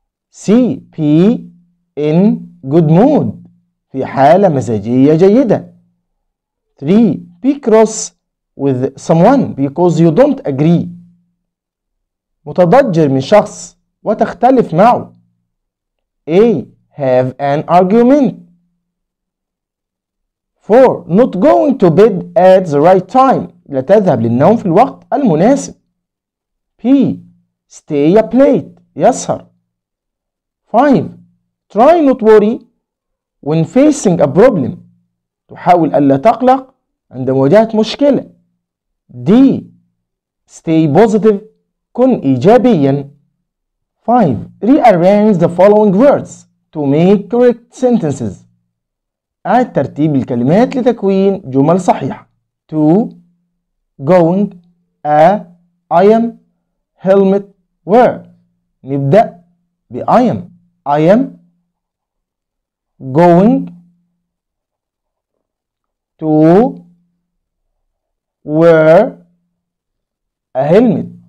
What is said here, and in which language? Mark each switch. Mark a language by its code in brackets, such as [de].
[en] C be in good mood [ar] في حالة مزاجية جيدة [en] 3 be cross with someone because you don't agree [ar] متضجر من شخص وتختلف معه [en] A have an argument 4. Not going to bed at the right time. [ar] لا تذهب للنوم في الوقت المناسب. [en] P. Stay up late. [ar] يسهر. [en] 5. Try not worry when facing a problem. [ar] تحاول ألا تقلق عند مواجهة مشكلة. دي [en] stay positive، [ar] كن إيجابيا. 5. [en] Rearrange the following words to make correct sentences. [ar] أعد ترتيب الكلمات لتكوين جمل صحيحة. [en] To going a I am helmet wear. [ar] نبدأ ب [en] I am. I am going to wear a helmet.